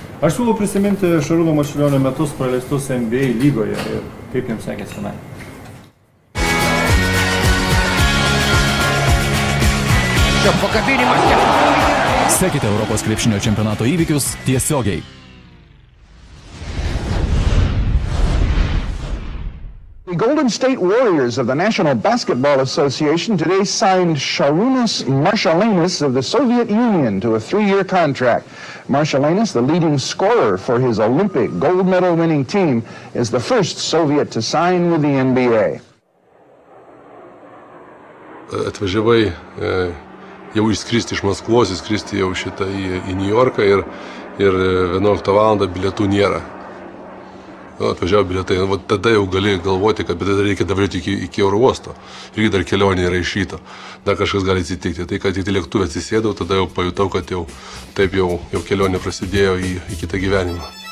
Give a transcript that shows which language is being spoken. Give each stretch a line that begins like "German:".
Lithuanian: Aš siūlau prisiminti Šarūno Marčiulionio metus praleistus NBA lygoje ir kaip jums sekėsi tenai. Sekite Europos krepšinio čempionato įvykius tiesiogiai.
English: The Golden State Warriors of the National Basketball Association today signed Šarūnas Marčiulionis of the Soviet Union to a 3-year contract. Marčiulionis, the leading scorer for his Olympic gold medal winning team, is the first Soviet to sign with the NBA.
Lithuanian: Atvažiavai jau išskristi iš Maskvos, išskristi jau šitą į New Yorką ir 11 valandą bilietų nėra. Atvažiavo bilietai, tada jau gali galvoti, kad tada reikia davėti iki oro uosto. Irgi dar kelionė yra iš ryto. Dar kažkas gali atsitikti. Tai, kad tik lėktuvę atsisėdau, tada jau pajutau, kad jau taip jau kelionė prasidėjo į kitą gyvenimą.